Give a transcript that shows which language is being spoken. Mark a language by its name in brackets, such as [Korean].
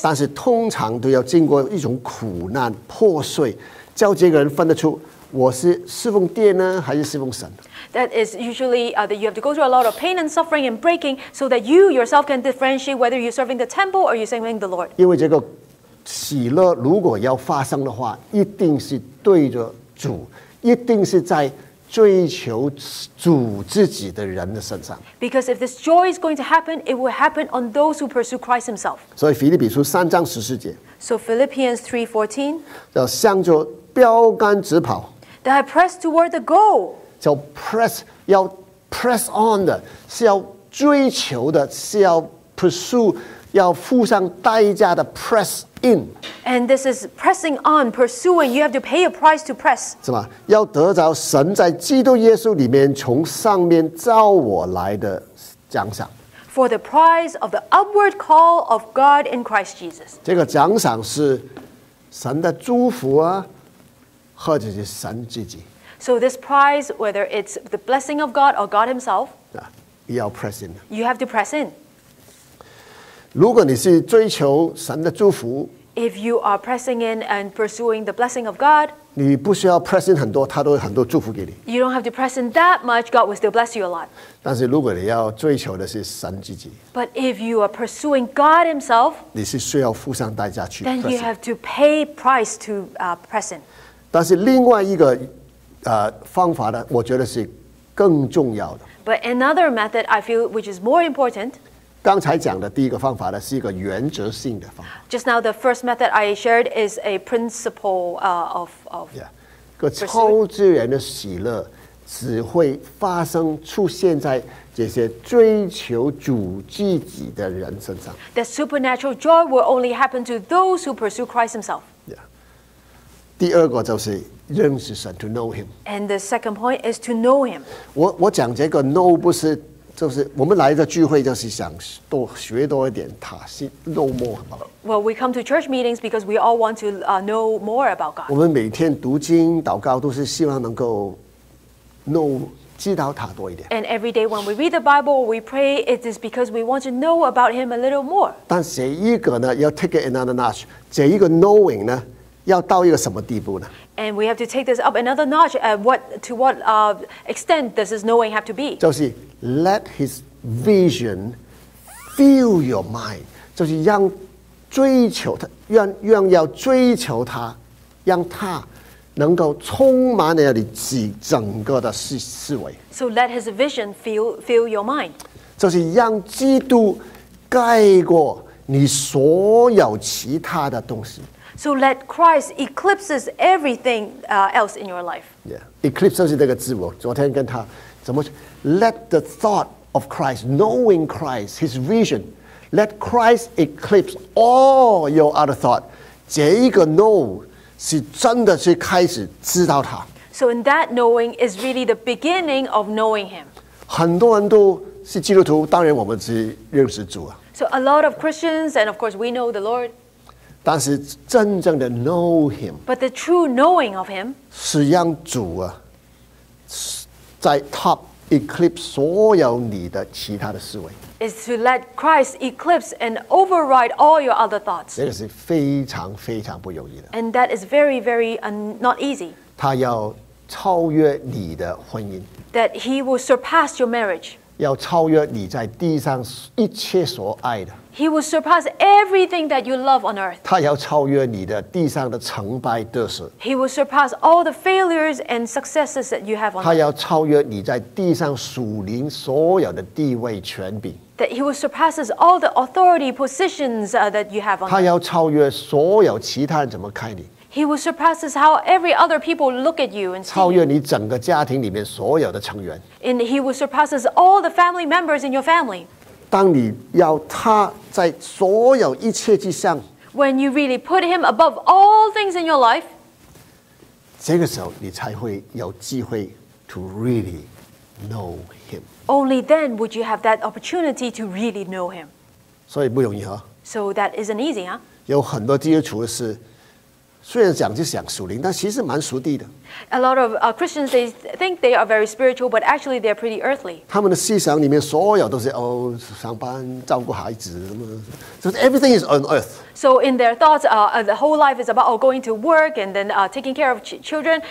[Chinese] 但是通常都要经过一种苦难破碎，叫这个人分得出我是侍奉殿呢，还是侍奉神。 [English] That is usually that you have to go through a lot of pain and suffering and breaking so that you yourself can differentiate whether you're serving the temple or you're serving the Lord. [Chinese] 因为这个喜乐如果要发生的话，一定是对着主，一定是在追求主自己的人的身上。 [English] Because if this joy is going to happen, it will happen on those who pursue Christ Himself. [Chinese] 所以腓立比书三章十四节。 [English] So Philippians 3:14. [Chinese] 要向着标杆直跑。 [English] That I press toward the goal. [Chinese] 叫 press， 要 [English] press on [Chinese] 的，是要追求的，是要 pursue， 要付上代价的 press。In. [English] And this is pressing on, pursuing. You have to pay a price to press. [Chinese] 是吗？要得着神在基督耶稣里面从上面召我来的奖赏。 [English] For the prize of the upward call of God in Christ Jesus. [Chinese] 这个奖赏是神的祝福啊，或者是神自己。 [English] So this prize, whether it's the blessing of God or God Himself, [Chinese] 你要 [English] press in. You have to press in. [Chinese] 如果你是追求神的祝福， [English] If you are pressing in and pursuing the blessing of God, [Chinese] 你不需要 [English] press in [Chinese] 很多，他都有很多祝福给你。 [English] You don't have to press in that much, God will still bless you a lot. [Chinese] 但是如果你要追求的是神自己， [English] But if you are pursuing God Himself, [Chinese] 你是需要付上代价去 [English] Then you have to pay price to press in. [Chinese] 但是另外一个方法呢，我觉得是更重要的。 [English] But another method I feel which is more important, [Chinese] 刚才讲的第一个方法呢，是一个原则性的方法。 [English] Just now, the first method I shared is a principle of [Chinese] yeah, 个超自然的喜乐只会发生出现在这些追求主自己的人身上。 [English] The supernatural joy will only happen to those who pursue Christ Himself. [Chinese] Yeah, 第二个就是认识神 ， [English] to know Him. And the second point is to know Him. [Chinese] 我讲这个 know 不是。就是我们来的聚会，就是想多学多一点他，是 [English] know more about. Well, we come to church meetings because we all want to know more about God. [Chinese] 我们每天读经祷告都是希望能够 know 知道他多一点。 [English] And every day when we read the Bible, we pray. It is because we want to know about Him a little more. [Chinese] 但这一个呢，要 [English] take it another notch. [Chinese] 这一个 knowing 呢，要到一个什么地步呢？ [English] And we have to take this up another notch. To what extent does this knowing have to be? [Chinese] 就是 [English] let His vision fill your mind. [Chinese] 就是让追求他，让要追求他，让他能够充满了你自整个的思维。 [English] So let his vision fill your mind. [Chinese] 就是让基督盖过你所有其他的东西。 [English] So let Christ eclipses everything else in your life. [Chinese] Yeah, eclipse 就是这个字。我昨天跟他怎么 [English] ？Let the thought of Christ, knowing Christ, his vision, let Christ eclipse all your other thought. [Chinese] 这一个 know 是真的是开始知道他。 [English] So in that knowing is really the beginning of knowing him. [Chinese] 很多人都是基督徒，当然我们是认识主啊。 [English] So a lot of Christians, and of course we know the Lord. [Chinese] 但是真正的 [English] know him, but the true knowing of him, [Chinese] 是让主啊，在 [English] top eclipse [Chinese] 所有你的其他的思维。 [English] Is to let Christ eclipse and override all your other thoughts. [Chinese] 这个是非常非常不容易的。 [English] And that is very, very not easy. [Chinese] 他要超越你的婚姻。 [English] That he will surpass your marriage. [Chinese] 要超越你在地上一切所爱的。 [English] He will surpass everything that you love on earth. [Chinese] 他要超越你的地上的成败得失。 [English] He will surpass all the failures and successes that you have on earth. [Chinese] 他要超越你在地上属灵所有的地位权柄。 [English] That he will surpass all the authority positions that you have on earth. [Chinese] 他要超越所有其他人怎么看你。 [English] He will surpass how every other people look at you and see you. [Chinese] 超越你整个家庭里面所有的成员。 [English] And he will surpass all the family members in your family. [Chinese] 当你要他在所有一切之上。 [English] When you really put him above all things in your life. [Chinese] 这个时候你才会有机会 [English] to really know him. Only then would you have that opportunity to really know him. [Chinese] 所以不容易啊。 [English] So that isn't easy, huh? [Chinese] 有很多基督徒是虽然讲就讲属灵，但其实蛮属地的。 [English] A lot of Christians they think they are very spiritual, but actually they're pretty earthly. [Chinese] 他们的思想里面所有都是哦，上班照顾孩子什么，就是 [English] everything is on earth. So in their thoughts, the whole life is about going to work and then taking care of children.